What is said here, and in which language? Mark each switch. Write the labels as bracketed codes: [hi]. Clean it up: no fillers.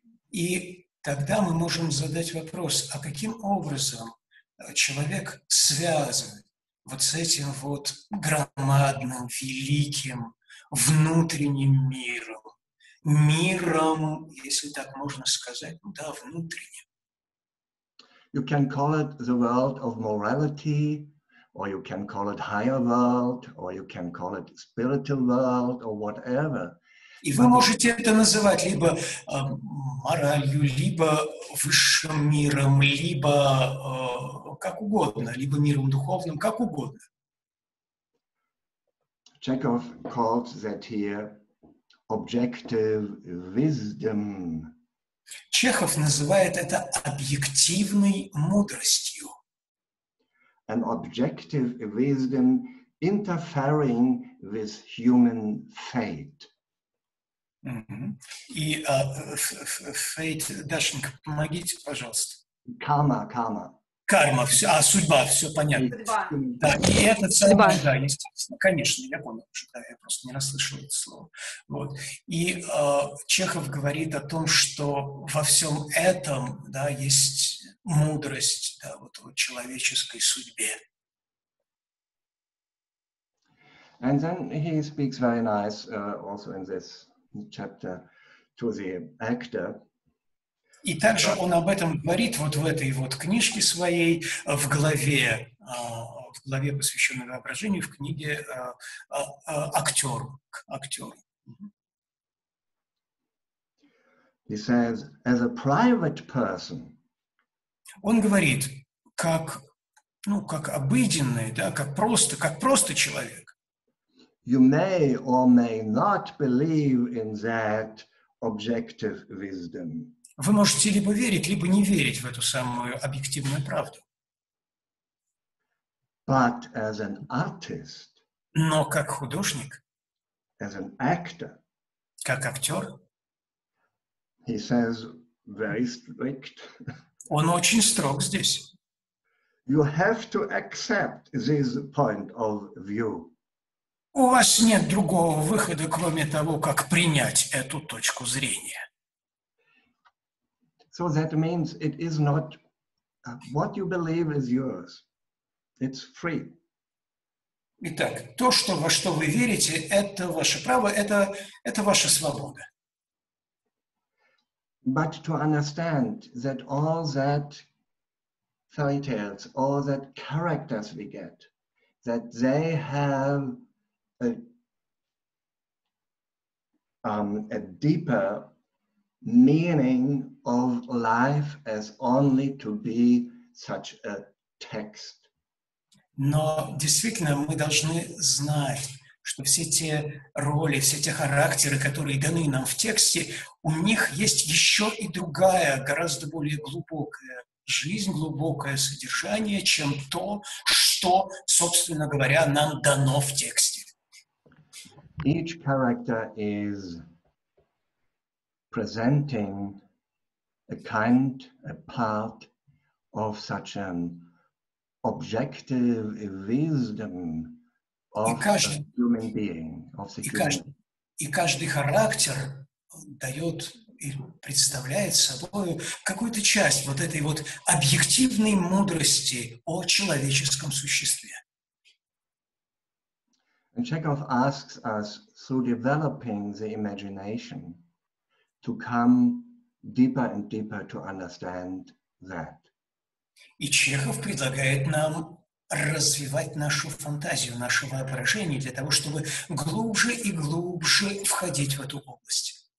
[ru] И тогда мы можем задать вопрос, а каким образом человек связан вот с этим вот громадным, великим, внутренним миром, миром, если так можно сказать, да, внутренним. [en] You can call it the world of morality, or you can call it higher world, or you can call it spiritual world, or whatever. [ru] И вы можете это называть либо моралью, либо высшим миром, либо как угодно, либо миром духовным, как угодно. [en] Чехов calls that here objective wisdom. [ru] Чехов называет это объективной мудростью. [en] An objective wisdom interfering with human fate. [ru] И fate, Дашенька, помогите, пожалуйста. Карма. Карма, все, а судьба, все понятно. Судьба. Да, и это судьба, да, естественно, конечно, я понял, что да, я просто не расслышал это слово. Вот. И Чехов говорит о том, что во всем этом, да, есть мудрость, да, вот в человеческой судьбе. [en] And then he speaks very nice also in this chapter to the actor. [ru] И также он об этом говорит вот в этой вот книжке своей, в главе, посвященной воображению, в книге актеру. [en] He says, as a private person. [ru] Он говорит, как, ну, как обыденный, да, как просто человек. [en] You may or may not believe in that objective wisdom. [ru] Вы можете либо верить, либо не верить в эту самую объективную правду. [en] But as an artist, [ru] но как художник, [en] as an actor, [ru] как актер, [en] he says very strict. [ru] Он очень строг здесь. [en] You have to accept this point of view. [ru] У вас нет другого выхода, кроме того, как принять эту точку зрения. [en] So that means it is not what you believe is yours. It's free. [ru] Итак, то, что, во что вы верите, это ваше право, это ваша свобода. [en] But to understand that all that fairy tales, all that characters we get, that they have a deeper meaning of life as only to be such a text. [ru] Но действительно мы должны знать, что все те роли, все те характеры, которые даны нам в тексте, у них есть еще и другая, гораздо более глубокая жизнь, глубокое содержание, чем то, что, собственно говоря, нам дано в тексте. [en] Each character is presenting a kind, a part of such an objective wisdom of the human being, of the human. [ru] И каждый характер дает и представляет собой какую-то часть вот этой вот объективной мудрости о человеческом существе. [en] And Chekhov asks us, through developing the imagination, to come deeper and deeper to understand that. [ru] И Чехов предлагает нам развивать нашу фантазию, наше воображение для того, чтобы глубже и глубже входить в эту область.